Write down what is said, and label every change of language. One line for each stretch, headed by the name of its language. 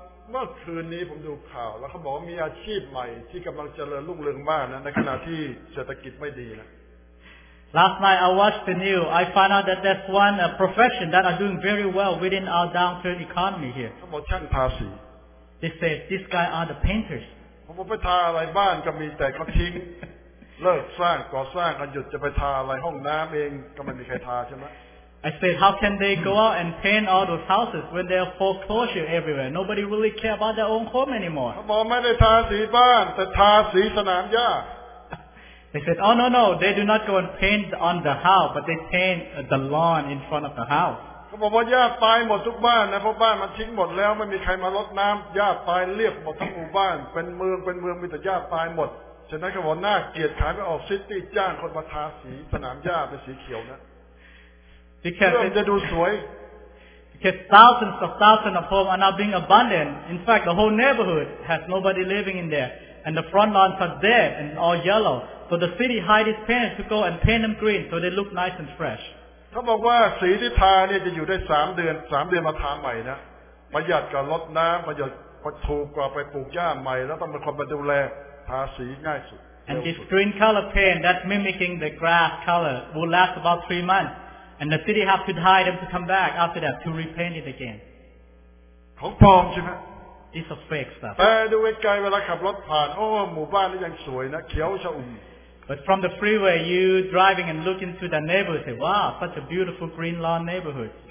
Thai: เมื่อคืนนี้ผมดูข่าวแล้วเขาบอกว่ามีอาชีพใหม่ที่กำลังเจริญรุ่งเรืองมากนะในขณะที่เศรษฐกิจไม่ดีนะ
English: Last night I watched the news I found out that there's one profession that are doing very well within our downturn economy here
Thai: เขาบอกช่างทาสี
English: They said this guy are the painters
Thai: ผมบอกไปทาอะไรบ้านก็มีแต่เขาทิ้งเลิกสร้างก่อสร้างกันหยุดจะไปทาอะไรห้องน้ำเองก็ไม่มีใครทาใช่ไหม
English: I said, how can they go out and paint all those houses when there are foreclosure everywhere? Nobody really care about their own home anymore. They said, oh no, they do not go and paint on the house, but they paint the lawn in front of the house.
Thai: เขาบอกว่าหญ้าตายหมดทุกบ้านนะเพราะบ้านมันทิ้งหมดแล้วไม่มีใครมารดน้ำหญ้าตายเรียบหมดทั้งหมู่บ้านเป็นเมืองมีแต่หญ้าตายหมดฉะนั้นเขาบอกน่าเกลียดขายไปออกซิตี้จ้างคนมาทาสีสนามหญ้าเป็นสีเขียวนะเพื่อจะดูสวย
English: because thousands of thousands of homes are now being abandoned. In fact, the whole neighborhood has nobody living in there, and the front lawns are dead and all yellow. So the city hired its painters to go and paint them green so they look nice and fresh.
Thai: เขาบอกว่าสีที่ทาเนี่ยจะอยู่ได้3 เดือนมาทาใหม่นะประหยัดกับรดน้ำประหยัดถูกกว่าไปปลูกหญ้าใหม่แล้วต้องมีคนมาดูแลทาสีง่ายสุด
English: And this green color paint that mimicking the grass color will last about 3 months and the city have to hire them to come back after that to repaint it again
Thai: ของปลอมใช่ไหม
English: It's a fake stuff
Thai: แต่ดูไกลเวลาขับรถผ่านโอ้หมู่บ้านนี้ยังสวยนะเขียวชอุ่ม
English: But from the freeway, you driving and looking to the neighborhood, say, wow, such a beautiful green lawn neighborhood.